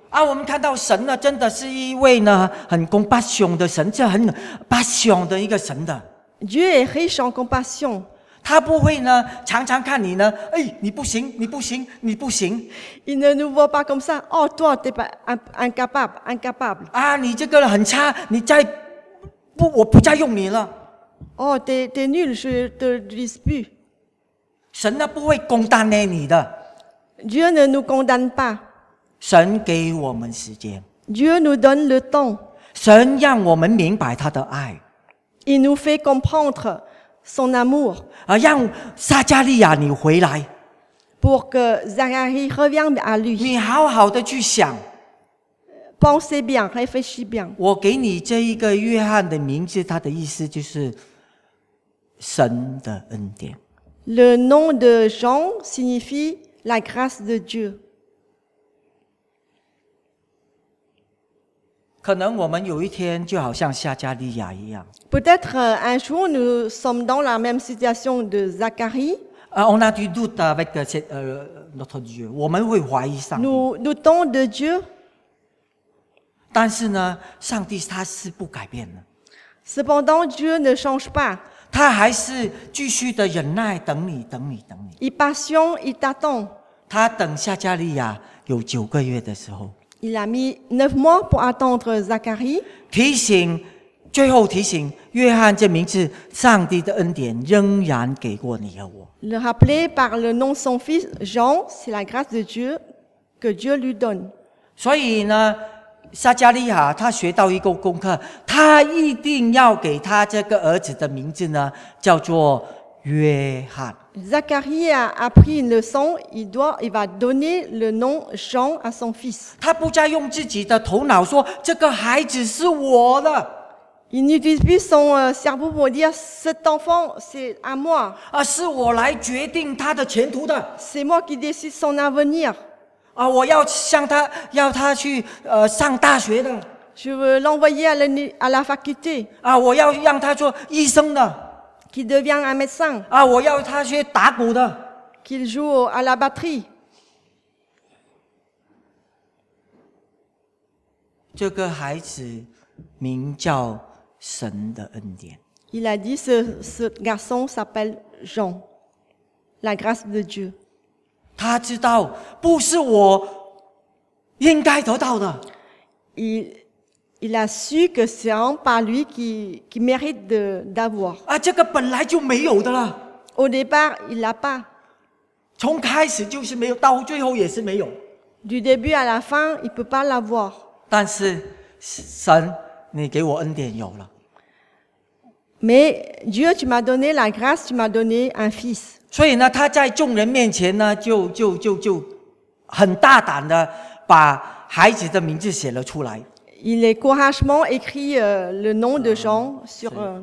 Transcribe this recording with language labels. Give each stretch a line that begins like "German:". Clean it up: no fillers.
Chinese: 啊，我们看到神呢，真的是一位呢很 compassion 的神，这很 passion 的一个神的。
French: Dieu est riche en compassion.
Chinese: 他不会呢常常看你呢，哎，你不行，你不行，你不行。
French: Il ne nous voit pas comme ça. Oh, toi, t'es pas incapable.
Chinese: 啊，你这个很差，你再不，我不再用你了。
French: Oh, t'es nul, je te dispute.
Chinese: 神呢不会攻打你的。
French: Dieu ne nous condamne pas.
Chinese: 神给我们时间。
French: Dieu nous donne le temps.
Chinese: 神让我们明白他的爱。
French: Il nous fait comprendre son amour.
Chinese: 啊，让撒加利亚你回来。
French: Pour que Zacharie revienne à lui.
Chinese: 你好好的去想。
French: Pensez bien, réfléchis bien.
Chinese: 我给你这一个约翰的名字，他的意思就是神的恩典。
French: Le nom de Jean signifie la grâce de Dieu.
Chinese: 可能我们有一天就好像撒加利亚一样。
French: Peut-être un jour nous sommes dans la même situation de Zacharie. On a du doute avec notre Dieu.
Chinese: 我们会怀疑上帝。
French: Nous doutons de Dieu.
Chinese: 但是呢，上帝他是不改变的。
French: Cependant, Dieu ne change pas.
Chinese: 他还是继续的忍耐，等你，等你，等你。
French: Il patiente, il t'attend.
Chinese: 他等撒加利亚有九个月的时候。
French: Il a mis neuf mois pour attendre Zacharie.
Chinese: 提醒，最后提醒，约翰这名字，上帝的恩典仍然给过你和我。
French: Le rappeler par le nom de son fils Jean, c'est la grâce de Dieu que Dieu lui donne.
Chinese: 所以呢，撒加利亚他学到一个功课，他一定要给他这个儿子的名字呢叫做约翰。
French: Zacharie a appris une leçon, il va donner le nom Jean à son fils.
Chinese: 他不再用自己的头脑说这个孩子是我的。
French: Il n'utilise plus son cerveau pour dire cet enfant c'est à moi.
Chinese: 啊，是我来决定他的前途的。
French: C'est moi qui décide son avenir.
Chinese: 啊，我要向他，要他去上大学的。
French: Je veux l'envoyer à la faculté.
Chinese: 啊，我要让他做医生的。
French: Qu'il devienne un médecin.
Chinese: 啊，我要他去打鼓的。
French: Qu'il joue à la batterie.
Chinese: 这个孩子名叫神的恩典。
French: Il a dit ce garçon s'appelle Jean, la grâce de Dieu.
Chinese: 他知道不是我应该得到的。
French: Il a su que c'est en par lui qui mérite d'avoir.
Chinese: 啊，这个本来就没有的了。
French: Au départ, il l'a pas.
Chinese: 从开始就是没有，到最后也是没有。
French: Du début à la fin, il peut pas l'avoir.
Chinese: 但是神，你给我恩典有了。
French: Mais Dieu, tu m'as donné la grâce, tu m'as donné un fils.
Chinese: 所以呢，他在众人面前呢，就很大胆的把孩子的名字写了出来。
French: Il est courageusement écrit le nom de Jean sur.